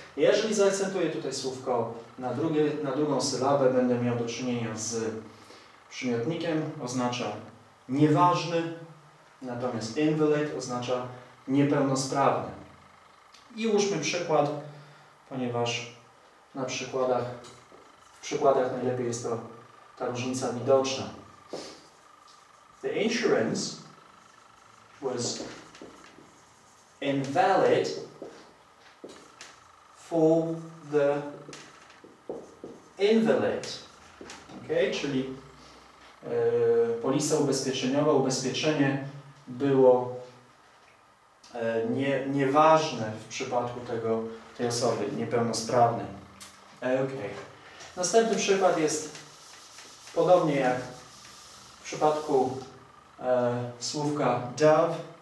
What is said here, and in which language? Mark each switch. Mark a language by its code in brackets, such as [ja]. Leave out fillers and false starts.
[pl] Jeżeli zaakcentuję tutaj słówko na drugą sylabę, będę miał do czynienia z przymiotnikiem, oznacza nieważny, natomiast invalid oznacza niepełnosprawny. I ułóżmy przykład, ponieważ na przykładach, w przykładach najlepiej jest to ta różnica widoczna. [en] The insurance was invalid for the invalid. Okay? [pl] Czyli polisa ubezpieczeniowa, ubezpieczenie było nieważne w przypadku tej osoby niepełnosprawnej. Okay. Następny przykład jest podobnie jak w przypadku słówka dove.